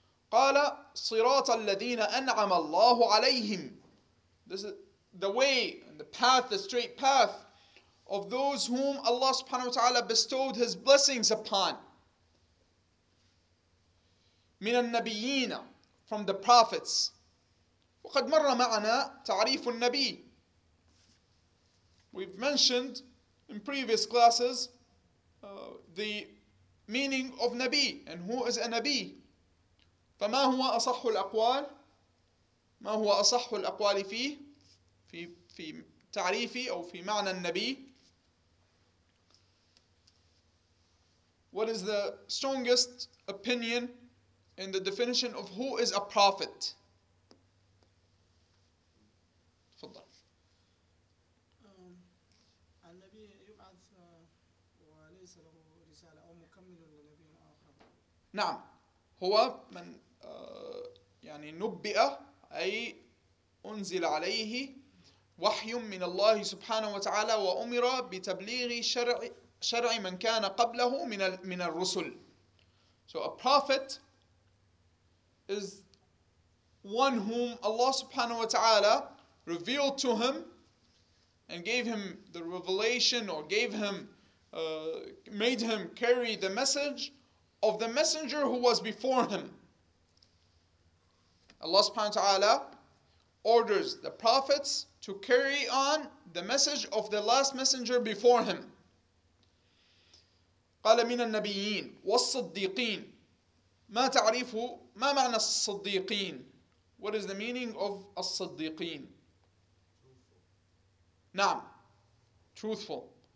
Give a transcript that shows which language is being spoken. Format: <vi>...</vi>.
<ar>قال صراط الذين أنعم الله عليهم.</ar> <en>This is the way, the path, the straight path of those whom Allah subhanahu wa ta'ala bestowed His blessings upon.</en> <ar>من النبيين,</ar> <en>from the prophets.</en> <ar>وقد مر معنا تعريف النبي.</ar> <en>We've mentioned in previous classes the meaning of نبي and who is a نبي.</en> <ar>فما هو أصح الأقوال, ما هو أصح الأقوال فيه في تعريفي أو في معنى النبي.</ar> <en>what is the strongest opinion in the definition of who is a prophet?</en> <ar>نعم هو من يعني نبئ أي أنزل عليه وحي من الله سبحانه وتعالى وأمر بتبليغ شرع من كان قبله من الرسل.</ar> <en>So a prophet is one whom Allah</en> <ar>سبحانه وتعالى</ar> <en>revealed to him and gave him the revelation or gave him made him carry the message of the messenger who was before him. Allah subhanahu wa ta'ala orders the prophets to carry on the message of the last messenger before him.</en> <ar>قال من النبيين والصديقين. ما تعريف ما معنى الصديقين؟</ar> <en>What is the meaning of</en> <ar>الصديقين؟ نعم</ar> <en>truthful.</en>